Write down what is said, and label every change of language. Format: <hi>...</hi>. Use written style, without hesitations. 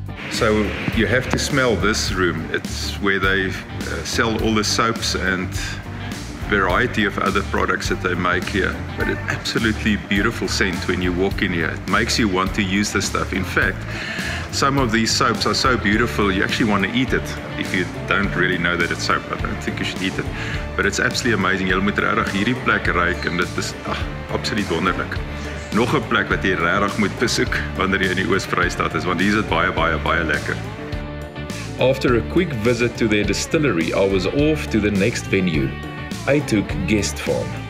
<en>So you have to smell this room. It's where they sell all the soaps and variety of other products that they make here. But it's absolutely beautiful scent when you walk in here. It makes you want to use this stuff. In fact, some of these soaps are so beautiful, you actually want to eat it. If you don't really know that it's soap, I don't think you should eat it. But it's absolutely amazing.</en> <af>Jy moet regtig hierdie plek ruik en dit is absoluut wonderlik. Nog 'n plek wat jy regtig moet besoek wanneer jy in die Oos-Vrystaat is, want hier is dit baie, baie, baie lekker.</af> <en>After a quick visit to their distillery, I was off to the next venue. I took guest farm.</en>